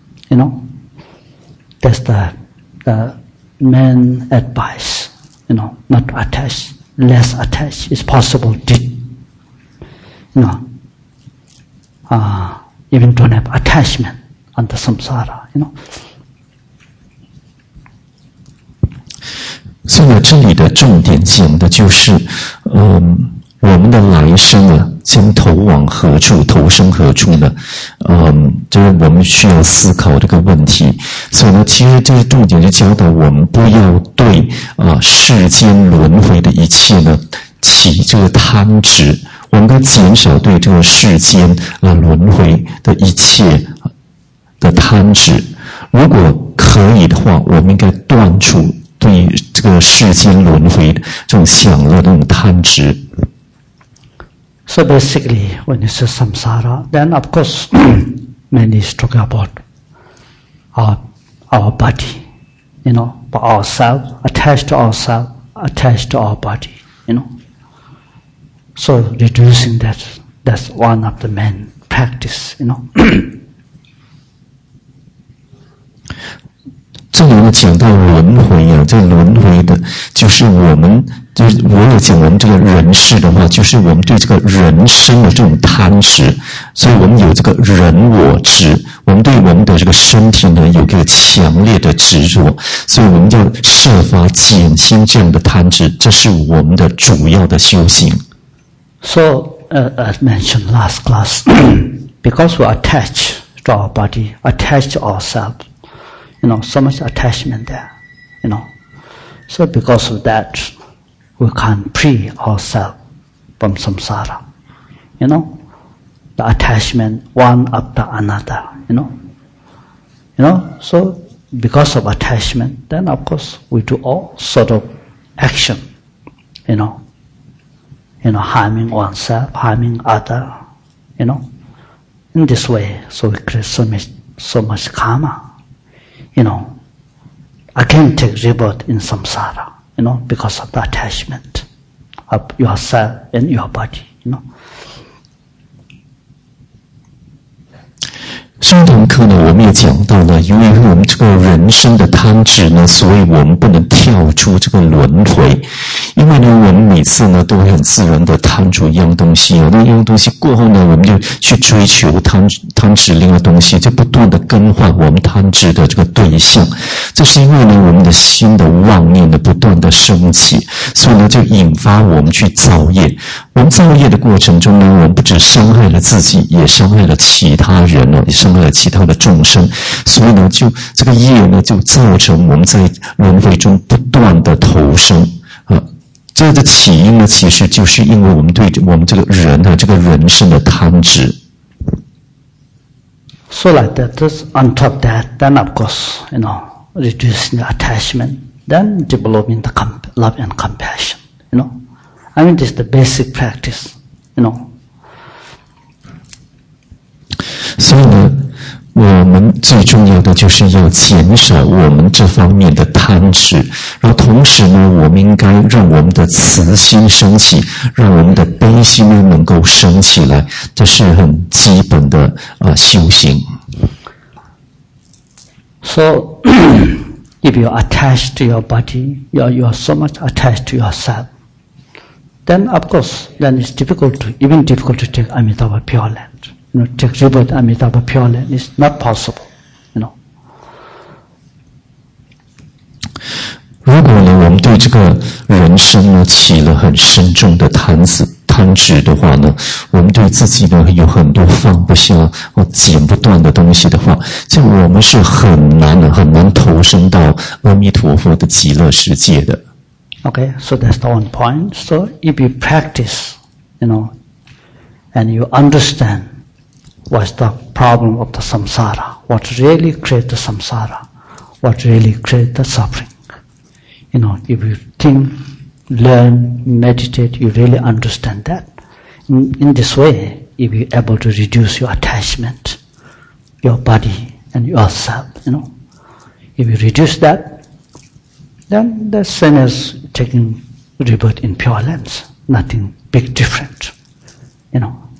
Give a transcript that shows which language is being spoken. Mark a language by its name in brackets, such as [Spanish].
[English] You know, that's the main advice, you know, not to attach, less attach, if possible, even don't have attachment on the samsara, you know. [Chinese] 所以这里的重点讲的就是，我们的来生啊，将投往何处，投生何处呢？就是我们需要思考这个问题。所以呢，其实这个重点就教导我们，不要对世间轮回的一切呢起这个贪执。我们该减少对这个世间轮回的一切的贪执。如果可以的话，我们应该断除对这个世间轮回的这种享乐的那种贪执。 [English] So basically, when you say samsara, then of course, many is talking about our body, you know, but ourselves, attached to our body, you know. So reducing that, that's one of the main practice, you know. [Chinese] 这里呢讲到轮回啊，这轮回的就是我们，就是我也讲我们这个人世的话，就是我们对这个人生的这种贪执，所以我们有这个人我执，我们对我们的这个身体呢有一个强烈的执着，所以我们要设法减轻这样的贪执，这是我们的主要的修行。 [English] So, as mentioned last class, because we attach to our body, attach to ourselves. You know, so much attachment there, you know. So because of that, we can't free ourselves from samsara, you know. The attachment, one after another, you know. You know, so because of attachment, then of course we do all sort of action, you know. You know, harming oneself, harming other, you know. In this way, so we create so much karma. You know, I can't take rebirth in samsara, you know, because of the attachment of yourself and your body, you know. [Chinese] 上堂课呢，我们也讲到了，由于我们这个人生的贪执呢，所以我们不能跳出这个轮回。因为呢，我们每次呢都很自然的贪着一样东西，那样东西过后呢，我们就去追求贪执另外东西，就不断的更换我们贪执的这个对象。这是因为呢，我们的心的妄念呢不断的升起，所以呢就引发我们去造业。我们造业的过程中呢，我们不只伤害了自己，也伤害了其他人了，也伤害了其他的众生。所以呢，就这个业呢，就造成我们在轮回中不断的投生。这个起因呢，其实就是因为我们对我们这个人啊，这个人生的贪执。 [English] So like that, just on top of that, then of course, you know, reducing the attachment, then developing the love and compassion, you know. I mean, this is the basic practice, you know. So, [Chinese] 我们最重要的就是要减少我们这方面的贪执，然后同时呢，我们应该让我们的慈心升起，让我们的悲心呢能够升起来，这是很基本的修行。 [English] So, if you're attached to your body, you are so much attached to yourself, then of course, then it's difficult to take Amitabha Pure Land. You know, take rebirth Amitabha Pure Land is not possible, you know. [Chinese] 如果呢，我们对这个人生呢起了很深重的贪执的话呢，我们对自己呢有很多放不下或剪不断的东西的话，就我们是很难投身到阿弥陀佛的极乐世界的。 [English] Okay, so that's the one point. So if you practice, you know, and you understand what's the problem of the samsara, what really creates the samsara, what really creates the suffering, you know, if you think. Learn, meditate, you really understand that. In this way, if you're able to reduce your attachment, your body and yourself, you know, if you reduce that, then the same as taking rebirth in pure lands, nothing big different, you know.